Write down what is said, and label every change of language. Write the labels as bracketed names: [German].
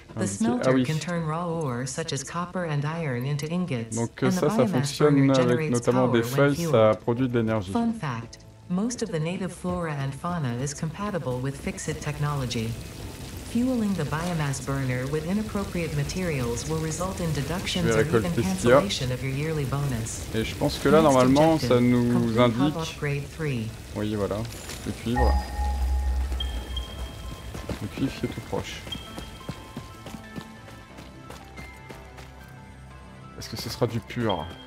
[English] The smelter can turn raw ore such as copper and iron into ingots. [French] Donc ça fonctionne avec notamment des feuilles, ça produit de l'énergie. [English] Fun fact: most of the native flora and fauna is compatible with Fixit technology. Fueling the biomass burner with inappropriate materials will result in deductions or even cancellation of your yearly bonus. [French] Et je pense que là normalement ça nous indique. Oui voilà, le cuivre. Le cuivre qui est tout proche. Est-ce que ce sera du pur?